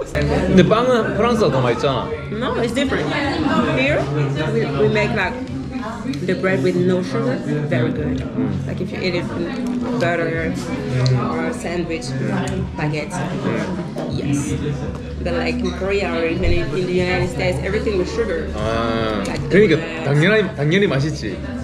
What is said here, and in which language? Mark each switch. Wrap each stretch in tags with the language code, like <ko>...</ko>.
<ko>근데 빵은 프랑스가 더 맛있잖아.</ko> <en>No, it's different. Here, we make like the bread with no sugar. Very good. Like if you eat it with butter or a sandwich, baguette. Yes. But like in Korea or even in the United States, everything with sugar.</en> <ko>그러니까 당연히 맛있지.</ko>